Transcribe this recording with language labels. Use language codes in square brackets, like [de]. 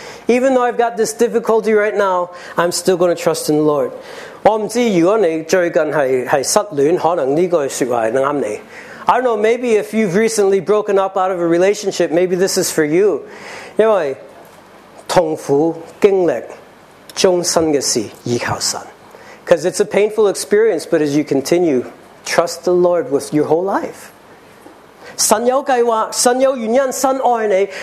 [en] Even though I've got this difficulty right now, I'm still going to trust in the Lord. [zh] 我不知道如果你最近是失恋，可能这句话是对你。 [en] I don't know. Maybe if you've recently broken up out of a relationship, maybe this is for you. [zh] 因为痛苦经历。 [en] Because it's a painful experience, but as you continue, trust the Lord with your whole life. [zh] 神有计划，神有原因，神爱你。